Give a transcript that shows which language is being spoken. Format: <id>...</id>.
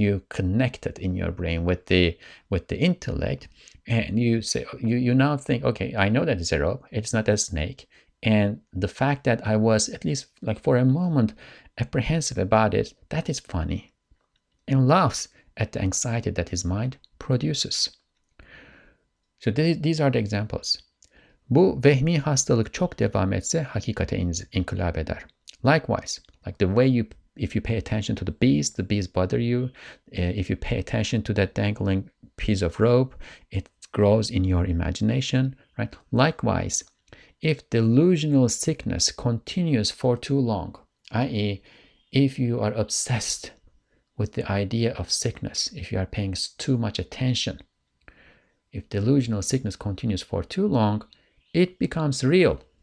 <en>You connect it in your brain with the intellect, and you say, you now think, okay, I know that it's a rope, it's not a snake, and the fact that I was at least like for a moment apprehensive about it, that is funny, and laughs at the anxiety that his mind produces. So these are the examples.</en> <tr>Bu vehmi hastalık çok devam etse hakikate inkılap eder.</tr> <en>Likewise, like the way if you pay attention to the bees bother you. If you pay attention to that dangling piece of rope, it grows in your imagination, right? Likewise, if delusional sickness continues for too long, i.e., if you are obsessed with the idea of sickness, if you are paying too much attention, if delusional sickness continues for too long, it becomes real.</en>